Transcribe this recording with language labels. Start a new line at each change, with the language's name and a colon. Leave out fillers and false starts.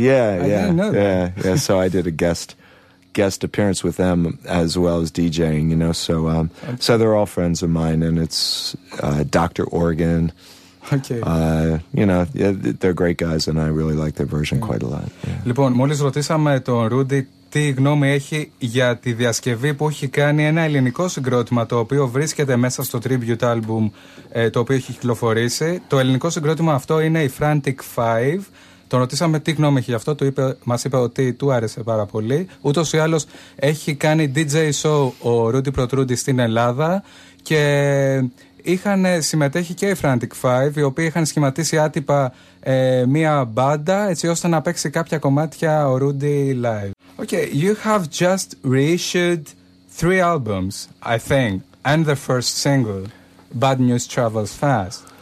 English: Yeah, I didn't know that. Yeah, so I did a guest appearance with them as well as DJing, you know. So so they're all friends of mine, and it's Dr. Organ. Okay. You know, they're great guys, and I really like their version quite a lot.
Greek: Λοιπόν, μόλις ρωτήσαμε τον Ρούντι τι γνώμη έχει για τη διασκευή που έχει κάνει ένα ελληνικό συγκρότημα το οποίο βρίσκεται μέσα στο tribute album το οποίο έχει κυκλοφορήσει. Το ελληνικό συγκρότημα αυτό είναι η Frantic Five. Τον ρωτήσαμε τι γνώμη έχει γι' αυτό, μας είπε ότι του άρεσε πάρα πολύ. Ούτως ή άλλως έχει κάνει DJ show ο Ρούντι Πρωτρούντι στην Ελλάδα και είχαν συμμετέχει και οι Frantic Five, οι οποίοι είχαν σχηματίσει άτυπα μία μπάντα έτσι ώστε να παίξει κάποια κομμάτια ο Ρούντι live.
English: Okay, you have just reissued 3 albums, I think, and the first single, Bad News Travels Fast.